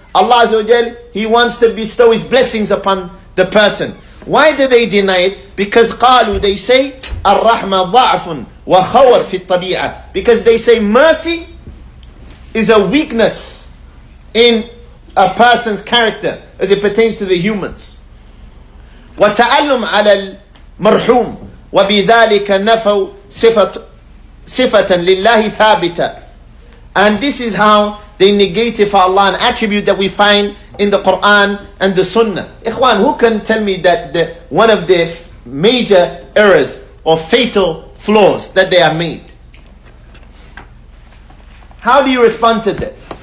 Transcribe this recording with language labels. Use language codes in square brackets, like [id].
[en] Allah Azza wa Jalla, He wants to bestow His blessings upon the person. Why do they deny it? Because قالوا, they say [ar] الرحمة ضعف وخور في الطبيعة. [en] Because they say mercy is a weakness in a person's character as it pertains to the humans. [ar] وتألم على المرحوم وبذلك نفوا صفة لله ثابتة. [en] And this is how they negated for Allah an attribute that we find in the Quran and the Sunnah. Ikhwan, who can tell me that one of the major errors or fatal flaws that they have made? How do you respond to that?